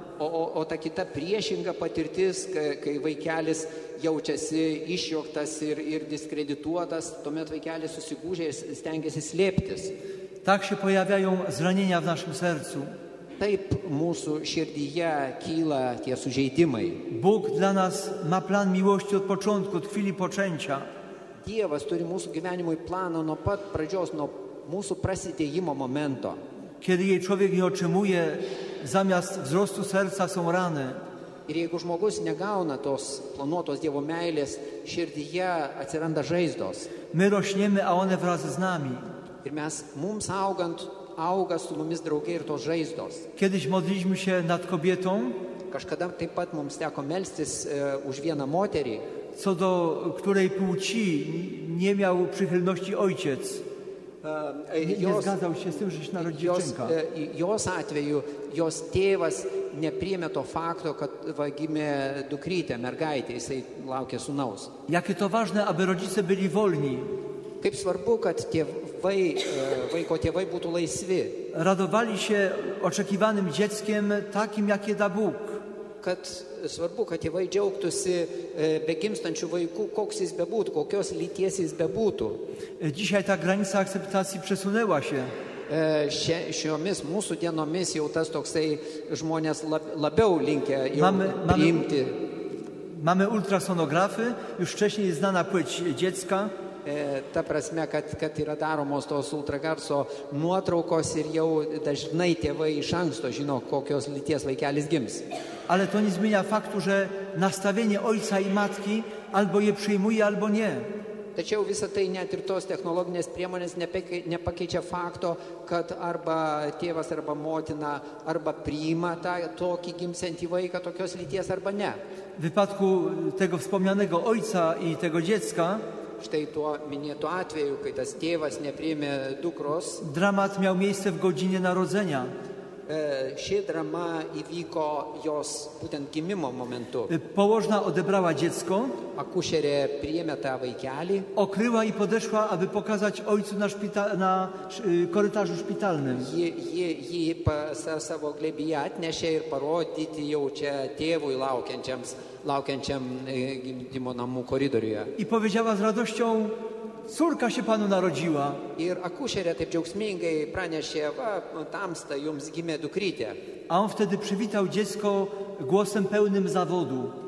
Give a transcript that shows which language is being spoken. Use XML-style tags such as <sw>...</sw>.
<lt>O ta kita priešinga patirtis, kai vaikelis jaučiasi išjuoktas ir diskredituotas, tuomet vaikelis susigūžia ir stengiasi slėptis.</lt> <pl>Tak się pojawiają zranienia w naszym sercu.</pl> <lt>Taip mūsų širdyje kyla tie sužeidimai.</lt> <pl>Bóg dla nas ma plan miłości od początku, od chwili poczęcia.</pl> <lt>Dievas turi mūsų gyvenimui planą nuo pat pradžios, nuo mūsų prasidėjimo momento.</lt> <pl>Kiedy jej człowiek nie otrzymuje, zamiast wzrostu serca są rany.</pl> <lt>Ir jeigu žmogus negauna tos planuotos Dievo meilės, širdyje atsiranda žaizdos.</lt> <pl>My rośniemy, a one wraz z nami.</pl> <lt>Ir mes, mums augant, auga su mumis drauge ir tos žaizdos.</lt> <pl>Kiedyś modliliśmy się nad kobietą.</pl> <lt>Kažkada taip pat mums teko melstis už vieną moterį.</lt> <pl>Co do której płci nie miał przychylności ojciec. Jos, nie zgadzał się z tym, że się narodzi dziewczynka.</pl> <lt>Jos atveju, jos tėvas nepriėmė to fakto, kad va, gimė dukrytė, mergaitė, jisai laukė sūnaus.</lt> <pl>Jakie to ważne, aby rodzice byli wolni.</pl> <lt>Kaip svarbu, kad tėvai, vaiko tėvai būtų laisvi.</lt> <pl>Radovali się oczekiwanym dzieckiem takim, jak je da Bóg.</pl> <lt>Kad svarbu, kad tėvai džiaugtųsi begimstančių vaikų, koks jis bebūtų, kokios lyties jis bebūtų.</lt> <pl>Dzisiaj ta granica akceptacji przesunęła się.</pl> <lt>Šiomis mūsų dienomis jau tas toksai žmonės labiau linkę jau priimti.</lt> <pl>Mamy ultrasonografy, już wcześniej znana płeć dziecka.</pl> <lt>Ta prasme, kad yra daromos tos ultragarso nuotraukos ir jau dažnai tėvai iš anksto žino, kokios lyties vaikelis gims.</lt> <pl>Ale to nie zmienia faktu, że nastawienie ojca i matki albo je przyjmuje, albo nie.</pl> <lt>Tačiau visa tai net ir tos technologinės priemonės nepakeičia fakto, kad arba tėvas, arba motina, arba priima tą tokį gimsantį vaiką, tokios lyties, arba ne.</lt> <pl>W wypadku tego wspomnianego ojca i tego dziecka,</pl> <lt>štai tuo minėtu atveju, kai tas tėvas nepriėmė dukros,</lt> <pl>dramat miał miejsce w godzinie narodzenia.</pl> <lt>Ši drama įvyko jos būtent gimimo momentu.</lt> <pl>Położna odebrała dziecko.</pl> <lt>Akušerė priėmė tą vaikelį.</lt> <pl>Okryła i podeszła, aby pokazać ojcu na korytarzu szpitalnym.</pl> <lt>Ji savo glėbyje atnešė ir parodyti jau čia tėvui laukiančiam gimdymo namų koridoriuje.</lt> <pl>I powiedziała z radością, córka się panu narodziła.</pl> <lt>Ir akušerė taip džiaugsmingai pranešė, va, tamsta, jums gimė dukrytė.</lt> <pl>A on wtedy przywitał dziecko głosem pełnym zawodu.</pl>